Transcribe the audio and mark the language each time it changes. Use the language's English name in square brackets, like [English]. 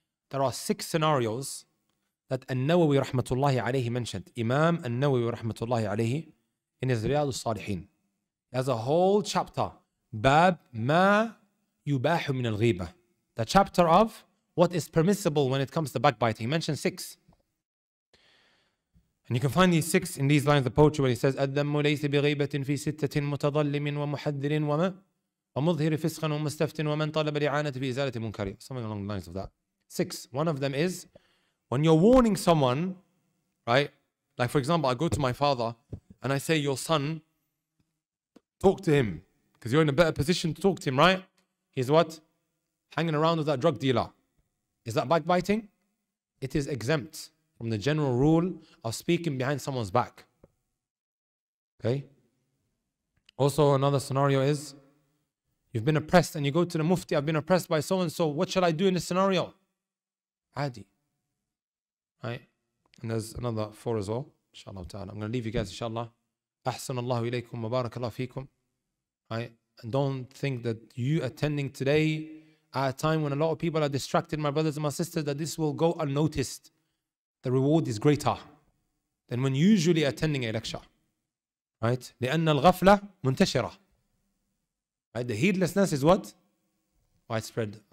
[English] There are six scenarios that An-Nawawi rahmatullahi alayhi mentioned. Imam An-Nawawi rahmatullahi alayhi in his Riyadus Salihin. He has a whole chapter, Bab Ma Yubahu Min Al-Ghiba. The chapter of what is permissible when it comes to backbiting. He mentioned six. And you can find these six in these lines of poetry when he says, [Arabic] أَذَّمُّ لَيْسِ بِغِيبَةٍ فِي سِتَّةٍ مُتَظَلِّمٍ وَمُحَذِّرٍ وَمَا وَمُظْهِرِ فِسْخًا وَمُسْتَفْتٍ وَمَنْ طَلَبَ لِعَانَةِ فِي إِزَالَةِ مُنْكَرٍ. [English] Something along the lines of that. Six. One of them is, when you're warning someone, right? Like for example, I go to my father and I say, your son, talk to him. Because you're in a better position to talk to him, right? He's what? Hanging around with that drug dealer. Is that backbiting? It is exempt from the general rule of speaking behind someone's back. Okay? Also, another scenario is, you've been oppressed and you go to the mufti, I've been oppressed by so-and-so, what should I do in this scenario? Adi. Right? And there's another four as well, inshallah ta'ala. I'm going to leave you guys, inshallah. [Arabic] أحسن الله إليكم وبارك الله فيكم. [English] Right? And don't think that you attending today at a time when a lot of people are distracted, my brothers and my sisters, that this will go unnoticed. The reward is greater than when usually attending a lecture. Right? [Arabic] لأن الغفلة منتشرة. [English] Right? The heedlessness is what? Widespread.